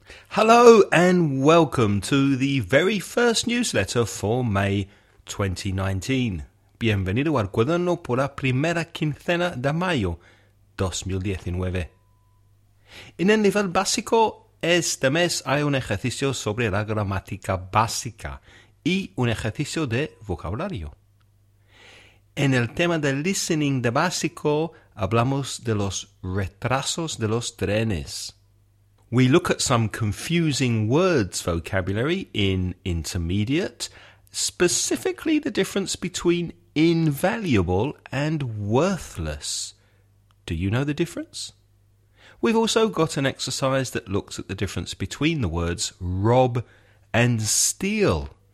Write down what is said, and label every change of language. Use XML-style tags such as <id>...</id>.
<en>Hello and welcome to the very first newsletter for May 2019.</en> <es>Bienvenido al cuaderno por la primera quincena de mayo 2019. En el nivel básico, este mes hay un ejercicio sobre la gramática básica y un ejercicio de vocabulario. En el tema del listening de básico, hablamos de los retrasos de los trenes.</es> <en>We look at some confusing words vocabulary in intermediate, specifically the difference between invaluable and worthless. Do you know the difference? We've also got an exercise that looks at the difference between the words rob and steal.</en>